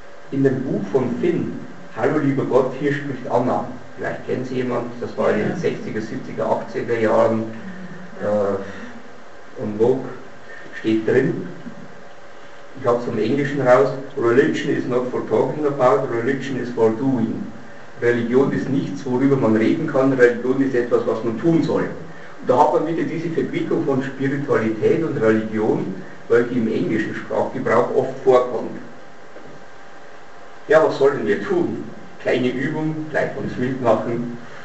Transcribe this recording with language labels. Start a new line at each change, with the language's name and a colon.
German: In dem Buch von Finn, Hallo lieber Gott, hier spricht Anna. Vielleicht kennen Sie jemand, das war in den 60er, 70er, 80er Jahren und Vogue, steht drin. Ich habe es vom Englischen raus.
English: Religion is not for talking about, religion is for doing.
German: Religion ist nichts, worüber man reden kann, Religion ist etwas, was man tun soll. Da hat man wieder diese Verquickung von Spiritualität und Religion, welche im englischen Sprachgebrauch oft vorkommt. Ja, was sollen wir tun? Kleine Übung, gleich uns mitmachen.